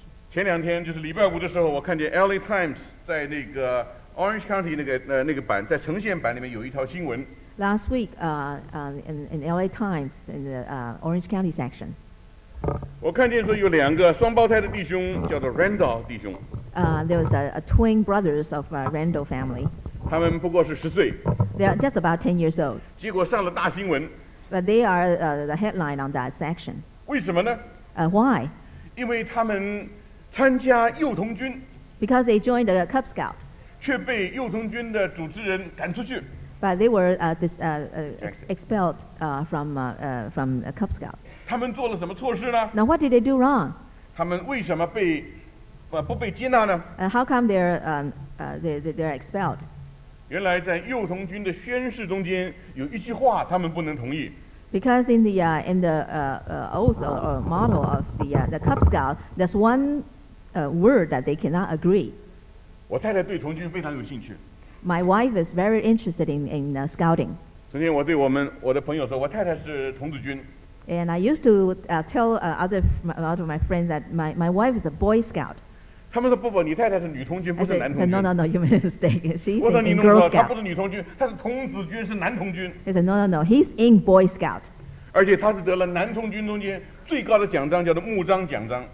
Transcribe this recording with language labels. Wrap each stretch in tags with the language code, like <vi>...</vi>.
<zh>前两天就是礼拜五的时候，我看见 LA Times 在那个 Orange County 那个版，在呈现版里面有一条新闻。</zh> <en>Last week, in LA Times, in the Orange County section.</en> <zh>我看见说有两个双胞胎的弟兄，叫做 Randall 弟兄。</zh> <en>There was a twin brothers of a Randall family.</en> <zh>他们不过是十岁。</zh> <en>They are just about 10 years old.</en> <zh>结果上了大新闻。</zh> <en>But they are the headline on that section.</en> <zh>为什么呢？</zh> <en>Why?</en> <zh>因为他们参加幼童军。</zh> <en>Because they joined the Cub Scout.</en> <zh>却被幼童军的组织人赶出去。</zh> <en>But they were expelled from a Cub Scout.</en> <zh>他们做了什么错事呢？</zh> <en>Now what did they do wrong?</en> <zh>他们为什么被不被接纳呢？</zh> <en>How come they're expelled?</en> <zh>原来在幼童军的宣誓中间有一句话他们不能同意。</zh> <en>Because in the oath or motto of the Cub Scout, there's one word that they cannot agree.</en> <zh>我太太对童军非常有兴趣。</zh> <en>My wife is very interested in scouting.</en> <zh>昨天我的朋友说，我太太是童子军。</zh> <en>And I used to tell other of my friends that my wife is a boy scout.</en> <zh>他们说不，你太太是女童军，不是男童军。</zh> <en>No, you made a mistake. She's in girl scout.</en> <zh>我说你弄错，她不是女童军，她是童子军，是男童军。</zh> <en>He said, no, he's in boy scout.</en> <zh>而且她是得了男童军中间最高的奖章，叫做木章奖章。</zh>